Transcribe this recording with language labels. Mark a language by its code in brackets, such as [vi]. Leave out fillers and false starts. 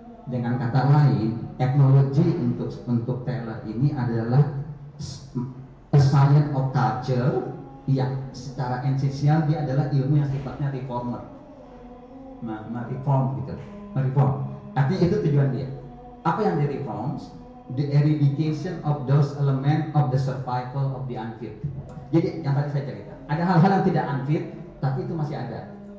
[id] Dengan kata lain, etnologi untuk Taylor ini adalah [en] a science of culture [id] yang secara esensial dia adalah ilmu yang sifatnya reformer, mereform gitu. Reform, artinya itu tujuan dia. Apa yang direforms? [en] The eradication of those element of the survival of the unfit. [id] Jadi yang tadi saya cerita, ada hal-hal yang tidak unfit, tapi itu masih ada.